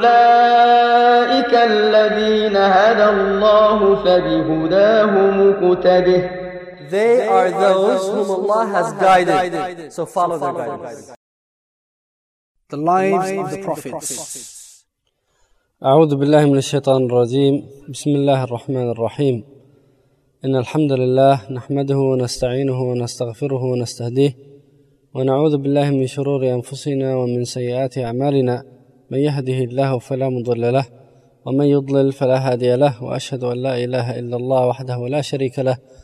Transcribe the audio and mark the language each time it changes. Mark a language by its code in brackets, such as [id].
[ar] أولئك الذين هدى الله فبهداهم اقتده. [en] They are those whom Allah has guided, so follow their guidance. The lives of the prophets. [ar] أعوذ بالله من الشيطان الرجيم. بسم الله الرحمن الرحيم. إن الحمد لله نحمده ونستعينه ونستغفره ونستهديه ونعوذ بالله من شرور أنفسنا ومن سيئات أعمالنا من يهده الله فلا مضل له ومن يضلل فلا هادي له وأشهد أن لا إله إلا الله وحده لا شريك له